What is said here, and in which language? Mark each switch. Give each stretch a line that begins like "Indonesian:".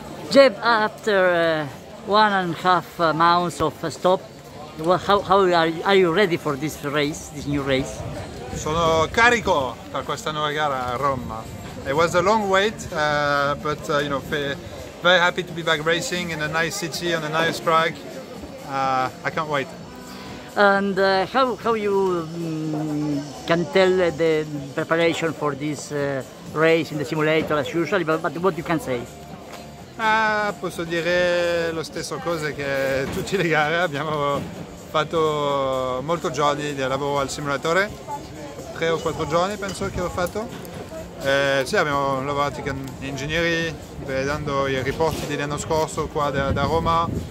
English: Jeb, after 1.5 months of stop, well, how are you ready for this race, this new race?
Italian: Sono carico per questa nuova gara a Roma.
English: It was a long wait, but you know, very happy to be back racing in a nice city on a nice track. I can't wait. And how you can tell the preparation for this race in the simulator as usual, but what you can say?
Italian: Posso dire lo stesso cosa che tutte le gare. Abbiamo fatto molto giorni di lavoro al simulatore, 3 o 4 giorni penso che ho fatto. Sì, abbiamo lavorato con gli ingegneri, vedendo i riporti dell'anno scorso qua da Roma.